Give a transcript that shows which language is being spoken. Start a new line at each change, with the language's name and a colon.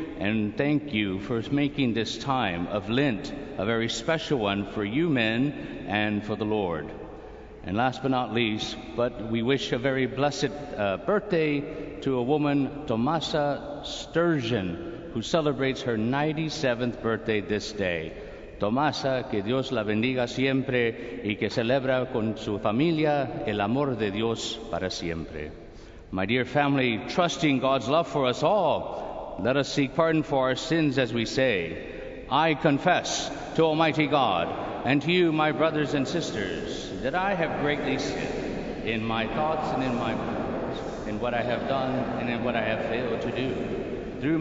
English: And thank you for making this time of Lent a very special one for you men and for the Lord. And last but not least, but we wish a very blessed birthday to a woman, Tomasa Sturgeon, who celebrates her 97th birthday this day.
Spanish: Tomasa, que Dios la bendiga siempre y que celebra con su familia el amor de Dios para siempre.
English: My dear family, trusting God's love for us all, let us seek pardon for our sins as we say, I confess to Almighty God and to you, my brothers and sisters, that I have greatly sinned in my thoughts and in my words, in what I have done and in what I have failed to do.